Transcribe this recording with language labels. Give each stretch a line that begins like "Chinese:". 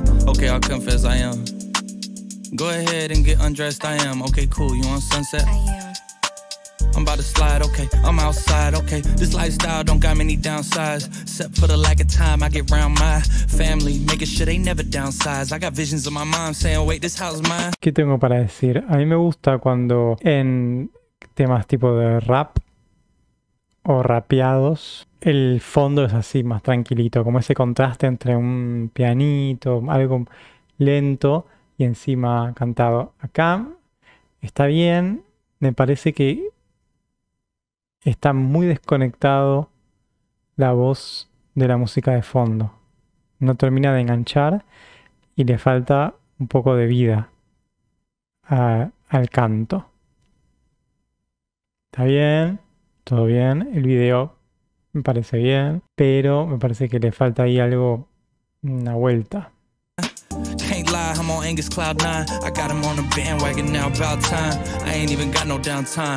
English: Okay, I'll confess I am. Go ahead and get undressed, I am. Okay, cool, you on sunset? I am. I'm about to slide, okay, I'm outside, okay. This lifestyle don't got many downsides. Except for the lack of time, I get round my family. Making sure they never downsize. I got visions of my mom saying, wait, this house is mine.
Spanish: ¿Qué tengo para decir? A mí me gusta cuando en temas tipo de rap o rapeados, el fondo es así, más tranquilito, como ese contraste entre un pianito, algo lento y encima cantado. Acá está bien, me parece que está muy desconectado la voz de la música de fondo. No termina de enganchar y le falta un poco de vida al canto. Está bien. Todo bien, el video me parece bien, pero me parece que le falta ahí algo, una vuelta.
English: Can't lie, I'm on Angus Cloud 9. I got him on a bandwagon now about time. I ain't even got no downtime.